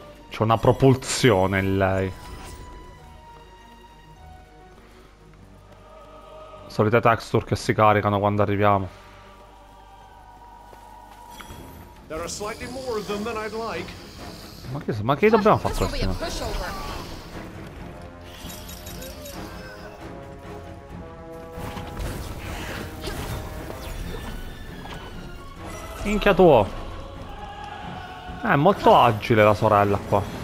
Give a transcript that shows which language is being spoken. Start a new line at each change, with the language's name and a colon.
Italian: C'è una propulsione in lei. Solite texture che si caricano quando arriviamo.
English: There are slightly more of them than I'd like.
Italian: Ma che dobbiamo fare questo? Minchia tuo! È molto agile la sorella qua.